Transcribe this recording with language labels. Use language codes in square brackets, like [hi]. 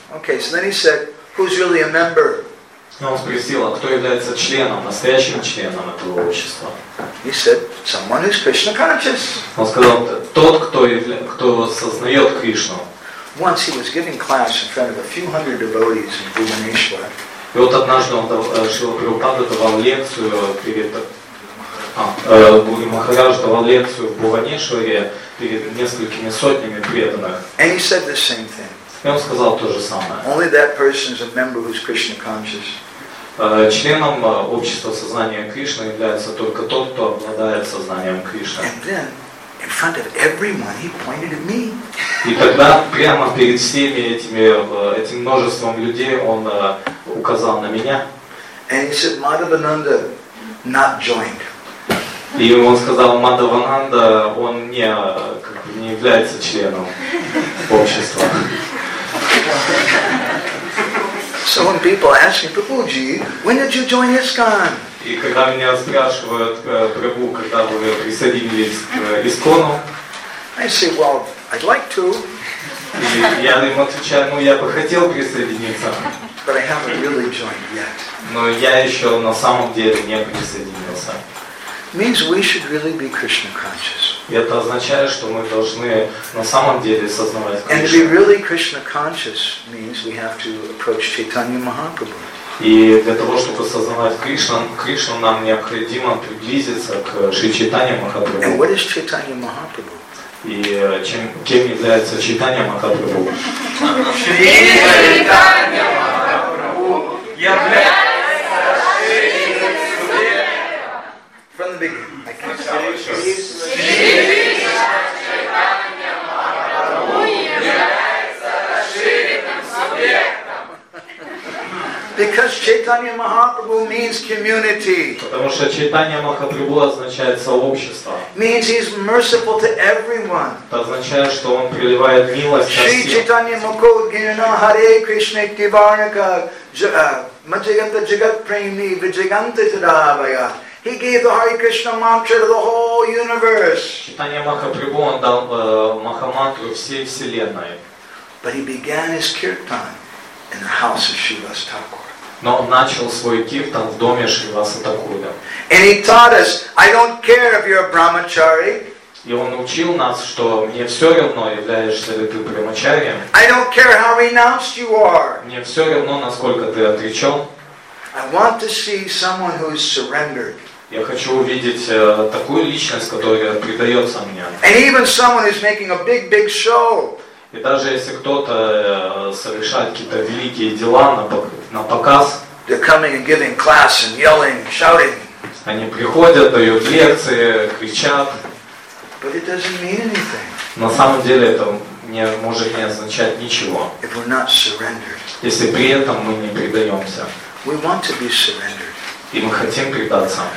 [en] Okay, so then he said, "Who's really a member?" [ru] Он спросил, а кто является членом, настоящим членом этого общества? [en] He said, "Someone who's Krishna conscious." [ru] Он сказал, тот, кто сознает Кришну. [en] Once he was giving class in front of a few hundred devotees in Bhubaneswar. [ru] И вот однажды он Шрила Прабхупада давал лекцию перед Махарадж давал лекцию в Бхуванешваре перед несколькими сотнями преданных. [en] And he said the same thing. [ru] И он сказал то же самое. [en] Only that person is a member who's Krishna conscious. [ru] Членом общества сознания Кришны является только тот, кто обладает сознанием Кришны. [en] And then, in front of everyone, he pointed at me. [ru] И тогда прямо перед всеми этим множеством людей он указал на меня. [en] And he said, Madhavananda, not joined. [ru] И он сказал, Мадхавананда, он не является членом общества. [en] So when people ask me, Prabhuji, when did you join ISKCON? [ru] И когда меня спрашивают, Прабху, когда вы присоединились к ИСККОНу? [en] I say, well, I'd like to. [ru] И я им отвечаю, ну я бы хотел присоединиться. [en] But I haven't really joined yet. [ru] Но я еще на самом деле не присоединился. [en] Means we should really be Krishna conscious. [ru] Это означает, что мы должны на самом деле сознавать Кришну. [en] And to be really Krishna conscious means we have to approach Chaitanya Mahaprabhu. [ru] И для того, чтобы сознавать Кришну, нам необходимо приблизиться к Шри Чайтанья Махапрабху. [en] And what is Chaitanya Mahaprabhu? [ru] И кем является Чайтанья Махапрабху? Шри Чайтанья Махапрабху является [en] Because Chaitanya Mahaprabhu means community. [ru] Потому что Чайтанья Махапрабху означает сообщество. [en] Means he's merciful to everyone. [ru] Это означает, что он проливает милость всем. [sa] Шри Чайтанья Махапрабху Харе Кришна Тиварнака Маджаганта Джагат Прейми Виджаганта Тадавая. [en] He gave the Hare Krishna mantra to the whole universe. [ru] Чайтанья Махапрабху он дал махамантру всей вселенной. [en] But he began his kirtan in the house of Shivas Thakur. [ru] Но он начал свой киртан в доме Шриваса Такура. [en] And he taught us, I don't care if you're a brahmachari. [ru] И он учил нас, что мне все равно, являешься ли ты брахмачарием. [en] I don't care how renounced you are. [ru] Мне все равно, насколько ты отречен. [en] I want to see someone who is surrendered. [ru] Я хочу увидеть такую личность, которая предается мне. [en] And even someone who's making a big, big show. [ru] И даже если кто-то совершает какие-то великие дела на показ. [en] They're coming and giving class and yelling, shouting. [ru] Они приходят, дают лекции, кричат. [en] But it doesn't mean anything. [ru] На самом деле это может не означать ничего. [en] If we're not surrendered. [ru] Если при этом мы не предаемся. [en] We want to be surrendered. [ru] И мы хотим предаться.